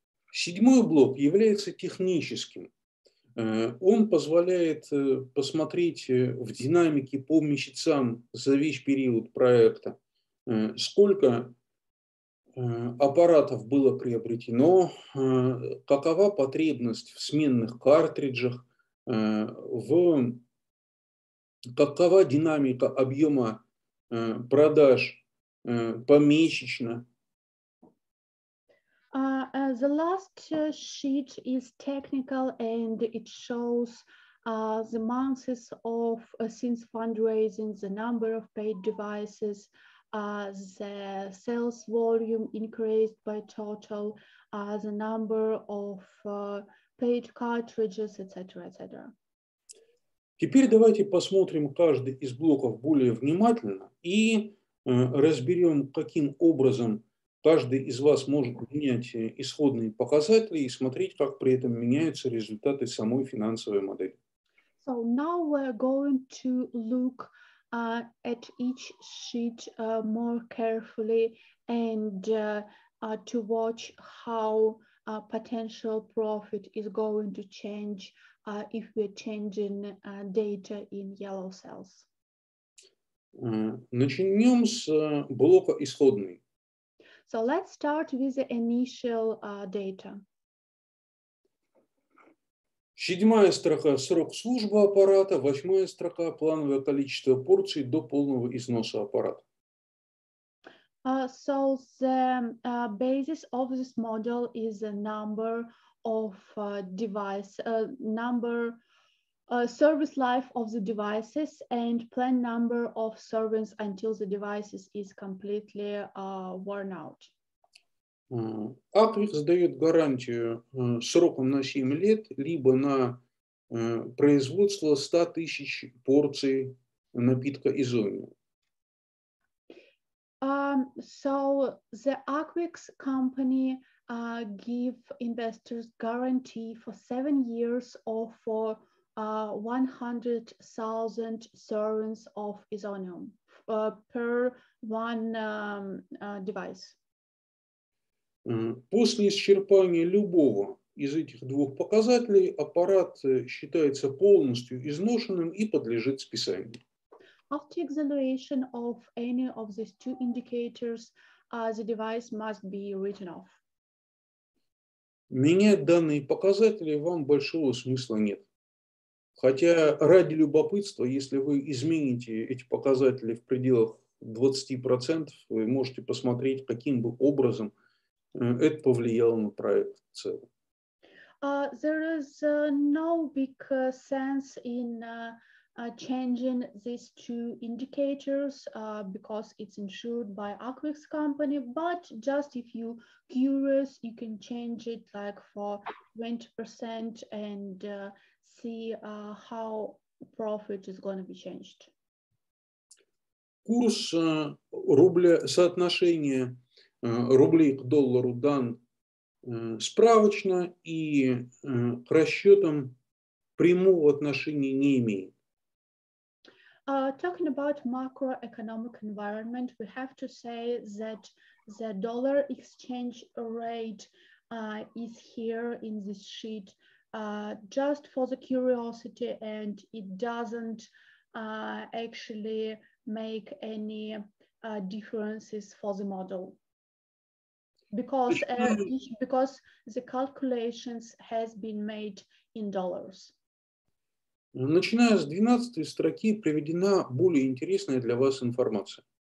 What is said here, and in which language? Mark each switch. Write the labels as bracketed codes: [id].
[ru] Седьмой блок является техническим. Он позволяет посмотреть в динамике по месяцам за весь период проекта, сколько аппаратов было приобретено, какова потребность в сменных картриджах, какова динамика объема продаж помесячно. [en] The last sheet is technical and it shows the months of since fundraising, the number of paid devices, the sales volume increased by total, the number of paid cartridges, etc., etc. [ru] Теперь давайте посмотрим каждый из блоков более внимательно и разберем, каким образом каждый из вас может менять исходные показатели и смотреть, как при этом меняются результаты самой финансовой модели. [en] So now we're going to look at each sheet more carefully and to watch how potential profit is going to change if we're changing data in yellow cells. [ru] Начнем с блока исходный. [en] So let's start with the initial data. [ru] Седьмая строка – срок службы аппарата. Восьмая строка – плановое количество порций до полного износа аппарата. [en] So the basis of this model is the number of device, number service life of the devices and planned number of servings until the devices is completely worn out. [ru] Акрикс дает гарантию сроком на 7 лет, либо на производство 100 тысяч порций напитка Изоми. [en] So the Акрикс company give investors guarantee for 7 years or for 100,000 servings of Isonium per one device. [ru] После исчерпания любого из этих двух показателей аппарат считается полностью изношенным и подлежит списанию. [en] After exhaustion of any of these two indicators, the device must be written off. [ru] Менять данные показатели вам большого смысла нет. Хотя ради любопытства, если вы измените эти показатели в пределах 20%, вы можете посмотреть, каким бы образом это повлияло на проект в целом. [en] There is no big sense in changing these two indicators because it's insured by Acrix company, but just if you curious, you can change it like for 20% and see how profit is going to be changed. [ru] Курс рубля, соотношение рублей к доллару дан справочно и к расчетам прямого отношения не имеет. [en] Talking about macroeconomic environment, we have to say that the dollar exchange rate is here in this sheet just for the curiosity, and it doesn't actually make any differences for the model because the calculations has been made in dollars. [ru] Начиная с 12 строки приведена более интересная для вас информация.